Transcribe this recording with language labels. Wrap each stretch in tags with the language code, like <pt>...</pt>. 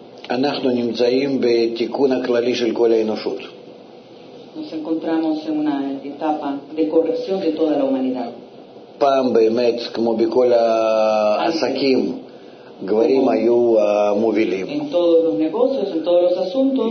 <he>אנחנו נמצאים בתיקון הכללי של כל האנושות.</he> <es>Nos encontramos en una etapa de corrección de toda la humanidad.</es> <he>פעם באמת, כמו בכל העסקים, גברים היו מובילים.</he> <es>En todos los negocios, en todos los asuntos.</es>